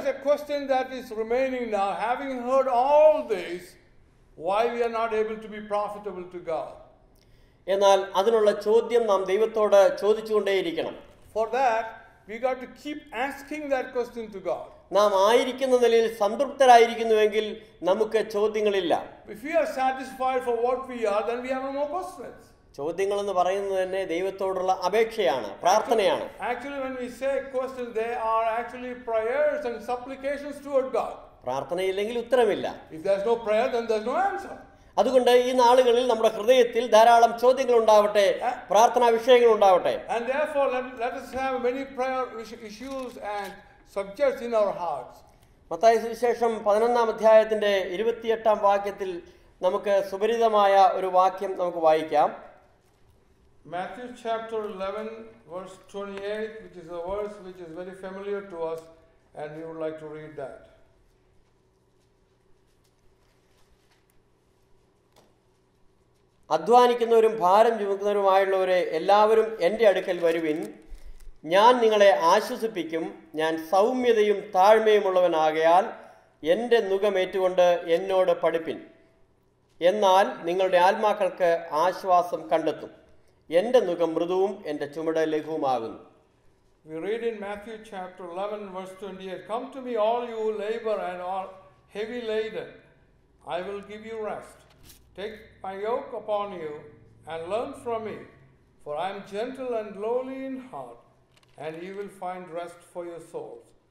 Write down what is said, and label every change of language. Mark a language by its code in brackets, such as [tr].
[en] There is a question that is remaining now, having heard all this, why we are not able to be profitable to God? [ml] എന്നാൽ അതിനുള്ള ചോദ്യം നാം ദൈവത്തോട് ചോദിച്ചുകൊണ്ടേയിരിക്കണം. [en] For that, we got to keep asking that question to God. [ml] നാം ആയിരിക്കുന്ന നിലയിൽ സംതൃപ്തരായിരിക്കുന്നുവെങ്കിൽ നമുക്ക് ചോദ്യങ്ങളില്ല. [en] If we are satisfied for what we are, then we have no more questions. [ml] ചോദ്യങ്ങൾ എന്ന് പറയുന്നത് തന്നെ ദൈവത്തോടുള്ള അപേക്ഷയാണ്, പ്രാർത്ഥനയാണ്. [en] Actually, when we say questions, they are actually prayers and supplications toward God. [ml] പ്രാർത്ഥനയില്ലെങ്കിൽ ഉത്തരമില്ല. [en] If there's no prayer, then there's no answer. [ml] അതുകൊണ്ട് ഈ നാളുകളിൽ നമ്മുടെ ഹൃദയത്തിൽ ധാരാളം ചോദ്യങ്ങൾ ഉണ്ടാവട്ടെ, പ്രാർത്ഥനാ വിഷയങ്ങൾ ഉണ്ടാവട്ടെ. [en] And therefore let us have many prayer issues and subjects in our hearts. [ml] Mathai സുവിശേഷം 11 അധ്യായത്തിന്റെ 28 വാക്യത്തിൽ നമുക്ക് സുപരിചിതമായ ഒരു വാക്യം നമുക്ക് വായിക്കാം. [en] Matthew chapter 11 verse 28, which is a verse which is very familiar to us, and we would like to read that. [ml] അധ്വാനിക്കുന്നവരും ഭാരം ചുമക്കുന്നവരുമായുള്ളവരെ എല്ലാവരും എൻ്റെ അടുക്കൽ വരുവിൻ, ഞാൻ നിങ്ങളെ ആശ്വസിപ്പിക്കും. ഞാൻ സൗമ്യതയും താഴ്മയുമുള്ളവനാകയാൽ എൻ്റെ നുകമേറ്റുകൊണ്ട് എന്നോട് പഠിപ്പിൻ, എന്നാൽ നിങ്ങളുടെ ആത്മാക്കൾക്ക് ആശ്വാസം കണ്ടെത്തും. എൻ്റെ നുകം മൃദുവും എൻ്റെ ചുമട് ലഘുവുമാകുന്നു. [en] We read in Matthew chapter 11 verse 28, come to me all you who labor and are heavy laden, I will give you rest. Take my yoke upon you and learn from me, for I am gentle and lowly in heart, and you will find rest for your souls.